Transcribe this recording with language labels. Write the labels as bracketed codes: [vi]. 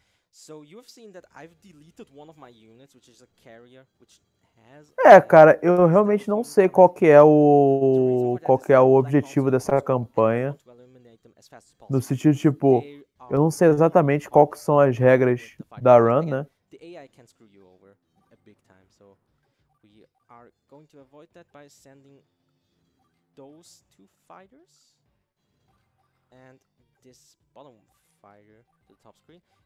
[en] So you've seen that I've deleted one of my units, which is a carrier, which [pt] Cara, eu realmente não sei qual que é o objetivo dessa campanha. No sentido, tipo, eu não sei exatamente qual que são as regras da run, né? [en] The AI can screw you over a big time, so we are going to avoid that by sending those two fighters and this bottom fighter to the top screen.